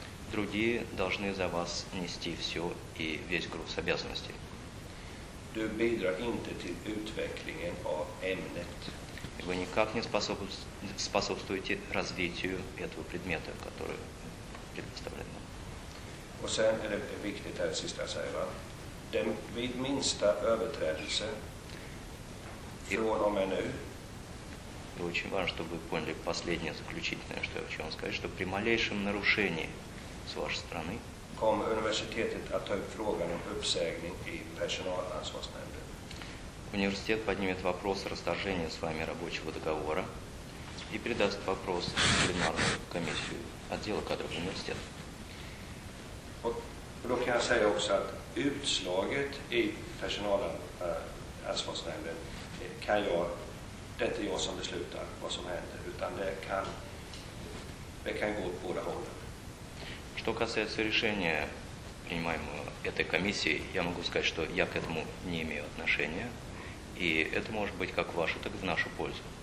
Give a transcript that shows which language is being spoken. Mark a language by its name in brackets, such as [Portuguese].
[Russian] Другие должны за вас нести все и весь груз обязанностей. [Swedish] Du bidrar inte till utvecklingen av ämnet. [Russian] Вы никак не способствуете развитию этого предмета, который предоставлен. [Swedish] Och sen är det viktigt här sista att säga, den vid minsta överträdelse från och med nu. Det är [Russian] очень важно, чтобы вы поняли последнее заключительное, что я хочу вам сказать, что при малейшем нарушении с вашей стороны [Swedish] kommer universitetet att ta upp frågan om uppsägning i personalansvarsnämnden. [Russian] Университет поднимет вопрос расторжения с вами рабочего договора и передаст вопрос в пленарную комиссию отдела кадров университета. [Swedish] Då kan jag säga också att utslaget i personalansvarsnämnden kan jag, det är jag som beslutar vad som händer, utan det kan gå åt båda hållen. [Russian] Что касается решения принимаемую этой комиссией, я могу сказать, что я к этому не имею отношения, и это может быть как в вашу, так и в нашу пользу.